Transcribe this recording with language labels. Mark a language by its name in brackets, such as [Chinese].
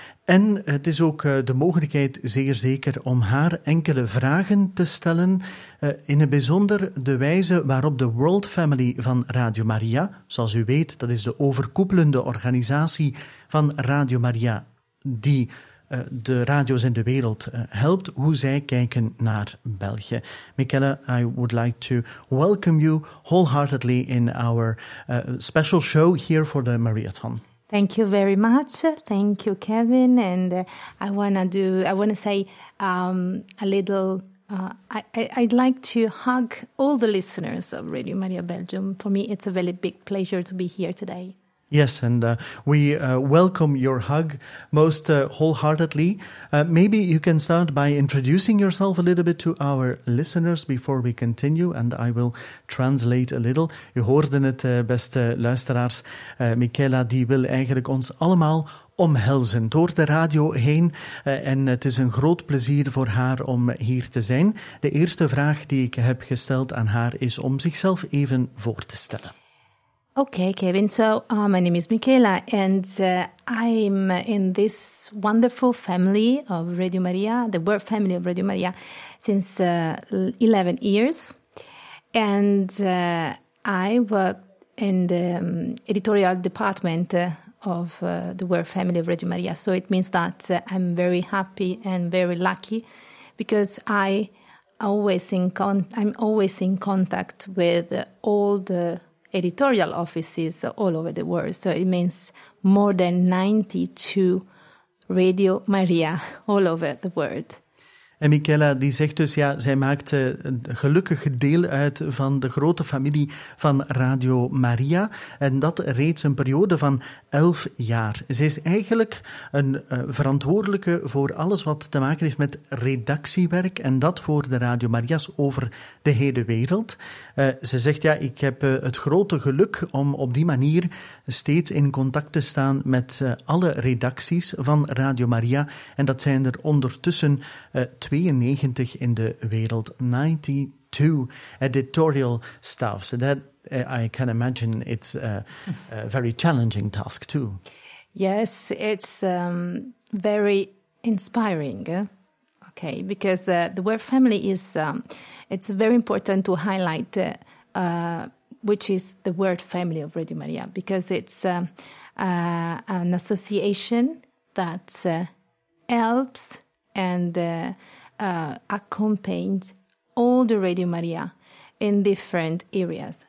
[Dutch] En het is ook de mogelijkheid zeer zeker om haar enkele vragen te stellen, in het bijzonder de wijze waarop de World Family van Radio Maria, zoals u weet, dat is de overkoepelende organisatie van Radio Maria die de radio's in de wereld helpt, hoe zij kijken naar België. [English] Michaela, I would like to welcome you wholeheartedly in our special show here for the Mariathon. Thank you very much. Thank you, Kevin. And I'd like to hug all the listeners of Radio Maria Belgium. For me, it's a very big pleasure to be here today. Yes, and we welcome your hug most wholeheartedly. Maybe you can start by introducing yourself a little bit to our listeners before we continue, and I will translate a little. [Dutch] U hoorde het, beste luisteraars. Michaela, die wil eigenlijk ons allemaal omhelzen door de radio heen. En het is een groot plezier voor haar om hier te zijn. De eerste vraag die ik heb gesteld aan haar is om zichzelf even voor te stellen. [English] Okay, Kevin. So my name is Michaela, and I'm in this wonderful family of Radio Maria, the world family of Radio Maria, since 11 years. And I work in the editorial department of the world family of Radio Maria. So it means that I'm very happy and very lucky because I'm always in contact with all the editorial offices all over the world. So it means more than 92 Radio Maria all over the world. [Dutch] En Michaela die zegt dus, ja, zij maakt een gelukkig deel uit van de grote familie van Radio Maria. En dat reeds een periode van 11 jaar. Zij is eigenlijk een verantwoordelijke voor alles wat te maken heeft met redactiewerk. En dat voor de Radio Maria's over de hele wereld. Ze zegt, ja, ik heb het grote geluk om op die manier steeds in contact te staan met alle redacties van Radio Maria. En dat zijn er ondertussen 92 [English] in the world, 92 editorial staff. So that, I can imagine, it's a very challenging task too. Yes, it's very inspiring. Okay, because the word family is, it's very important to highlight which is the word family of Radio Maria, because it's an association that helps and accompanied all the Radio Maria in different areas.